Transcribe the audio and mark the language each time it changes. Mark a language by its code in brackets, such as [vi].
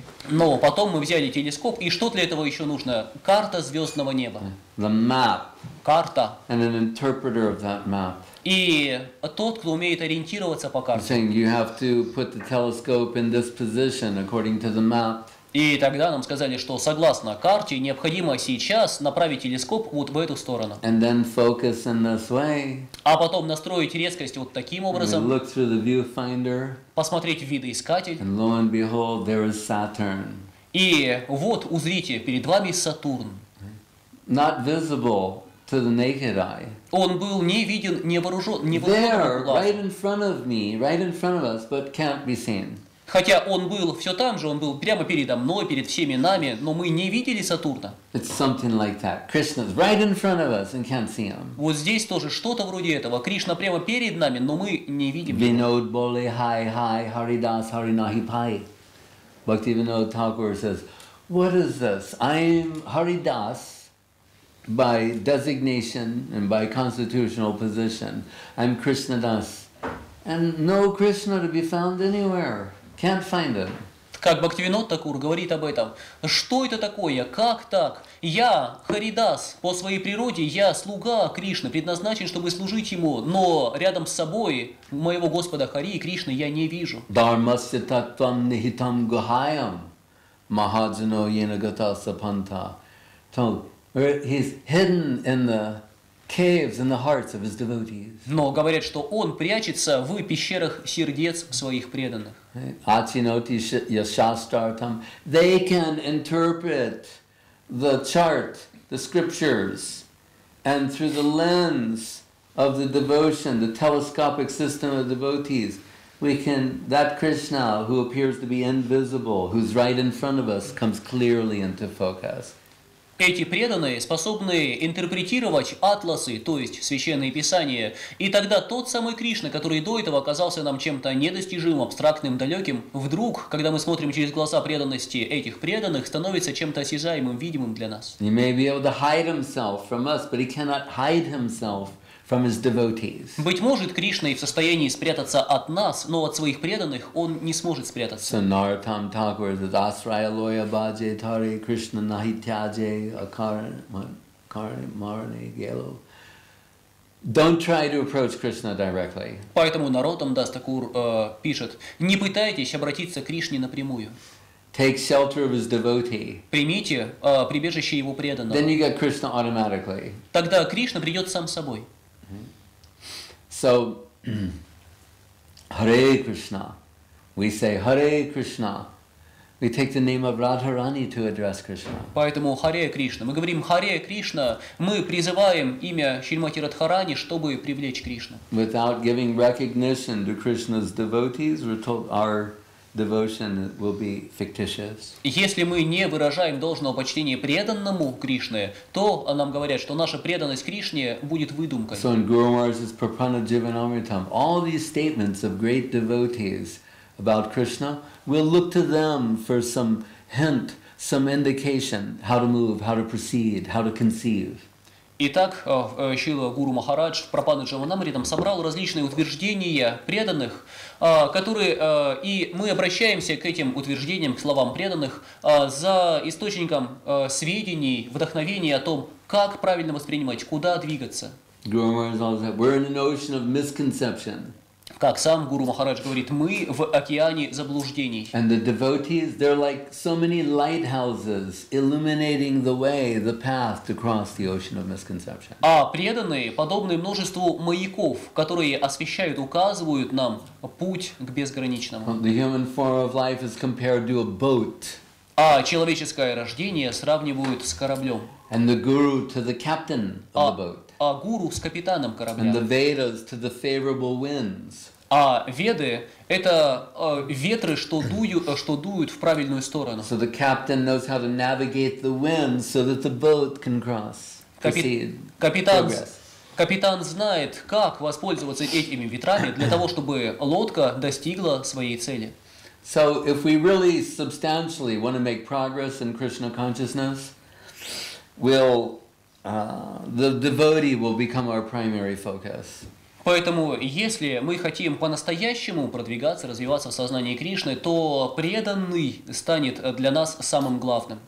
[ru] Но потом мы взяли телескоп, и что для этого еще нужно? Карта звездного неба. [en] The map. [ru] Карта. [en] And an interpreter of that map. [ru] И тот, кто умеет ориентироваться по карте. [en] Saying you have to put the telescope in this position according to the map. [ru] И тогда нам сказали, что согласно карте необходимо сейчас направить телескоп вот в эту сторону. [en] And then focus in this way. [ru] А потом настроить резкость вот таким образом. [en] Look through the viewfinder. [ru] Посмотреть в видоискатель. [en] And lo and behold, there is Saturn. [ru] И вот узрите, перед вами Сатурн. [en] Not visible to the naked eye. [ru] Он был не виден невооруженным глазом. [en] There, right in front of me, right in front of us, but can't be seen. [ru] Хотя он был все там же, он был прямо передо мной, перед всеми нами, но мы не видели Сатурна. [en] It's something like that. Krishna's right in front of us and can't see him. [ru] Вот здесь тоже что-то вроде этого. Кришна прямо перед нами, но мы не видим его. [bn] Vinod Bole Hai Hai Haridas Harinahi Pai. [en] Bhaktivinoda Thakur says, what is this? I'm Haridas by designation and by constitutional position. I'm Krishna Das. And no Krishna to be found anywhere. Can't find him. [ru] Как Бхактивинод Такур говорит об этом. Что это такое? Как так? Я Харидас, по своей природе, я слуга Кришны, предназначен, чтобы служить ему, но рядом с собой моего Господа Хари и Кришны я не вижу. [sa] Дармасья таттвам нихитам гухаям махаджино йенагатаса панта. [en] He's hidden in the caves, in the hearts of his devotees. [ru] Но говорят, что он прячется в пещерах сердец своих преданных. [sa] Ачиноти яшастартам. [en] They can interpret the chart, the scriptures, and through the lens of the devotion, the telescopic system of devotees, we can, that Krishna, who appears to be invisible, who's right in front of us, comes clearly into focus. [ru] Эти преданные способны интерпретировать атласы, то есть священные писания, и тогда тот самый Кришна, который до этого оказался нам чем-то недостижимым, абстрактным, далеким, вдруг, когда мы смотрим через глаза преданности этих преданных, становится чем-то осязаемым, видимым для нас. [en] He may be able to hide himself from us, but he cannot hide himself from his devotees. [ru] Быть может, Кришна и в состоянии спрятаться от нас, но от своих преданных он не сможет спрятаться. [bn] Санартам Такур [en] says, [bn] Асрая лоя баджей тари Кришна нахи тяджей акаре марне гело. [en] Don't try to approach Krishna directly. [ru] Поэтому Наротам Дас Такур пишет, не пытайтесь обратиться к Кришне напрямую. [en] Take shelter of his devotee. [ru] Примите прибежище его преданного. [en] Then you get Krishna automatically. [ru] Тогда Кришна придет сам собой. [en] So, Hare Krishna, we say Hare Krishna. We take the name of Radharani to address Krishna. [ru] Поэтому Hare Krishna. Мы говорим Hare Krishna. Мы призываем имя Шримати Радхарани, чтобы привлечь Кришну. [en] Without giving recognition to Krishna's devotees, we're told our devotion will be fictitious. [ru] Если мы не выражаем должного почтения преданному Кришне, то нам говорят, что наша преданность Кришне будет выдумкой. [en] So in Guru Maharaj's Prapanajivanamritam, all these statements of great devotees about Krishna, we'll look to them for some hint, some indication how to move, how to proceed, how to conceive. [ru] Итак, Шрила Гуру Махарадж в Прапанаджаванамритам собрал различные утверждения преданных, которые, и мы обращаемся к этим утверждениям, к словам преданных, за источником сведений, вдохновения о том, как правильно воспринимать, куда двигаться. [en] Guru Maharaj always said, we're in an ocean of misconception. [ru] Как сам Гуру Махарадж говорит, мы в океане заблуждений. [en] And the devotees, they're like so many lighthouses illuminating the way, the path to cross the ocean of misconception. [ru] А преданные подобны множеству маяков, которые освещают, указывают нам путь к безграничному. [en] The human form of life is compared to a boat. [ru] А человеческое рождение сравнивают с кораблем. [en] And the guru to the captain of the boat. [ru] А гуру с капитаном корабля. [en] And the Vedas to the favorable winds. [ru] А веды – это ветры, что дуют в правильную сторону. [en] So the captain knows how to navigate the winds so that the boat can cross, proceed, progress. [ru] Капитан знает, как воспользоваться этими ветрами для того, чтобы лодка достигла своей цели. [en] So if we really substantially want to make progress in Krishna consciousness, we'll the devotee will become our primary focus. [ru] Поэтому, если мы хотим по-настоящему продвигаться, развиваться в сознании Кришны, то преданный станет для нас самым главным.